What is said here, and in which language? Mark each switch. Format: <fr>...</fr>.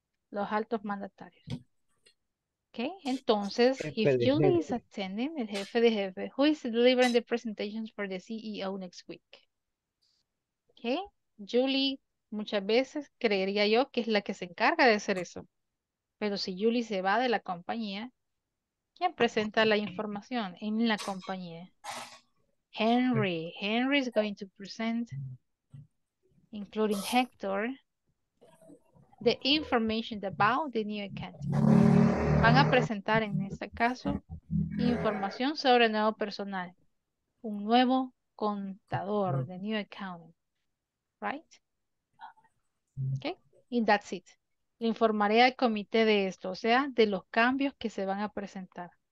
<es>Los altos mandatarios. Okay, entonces,</es> <en>if Julie is attending,</en> <es>el jefe de jefe,</es> <en>who is delivering the presentations for the CEO next week? Okay, Julie.</en> <es>Muchas veces creería yo que es la que se encarga de hacer eso. Pero si Julie se va de la compañía, ¿quién presenta la información en la compañía? Henry.</es> <en>Henry is going to present, including Hector, the information about the new account.</en> <es>Van a presentar en este caso información sobre nuevo personal. Un nuevo contador,</es> <en>the new accountant.</en> <es>Right? Okay,</es> <en>and that's it.</en> <es>Le informaré al comité de esto, o sea, de los cambios que se van a presentar.</es>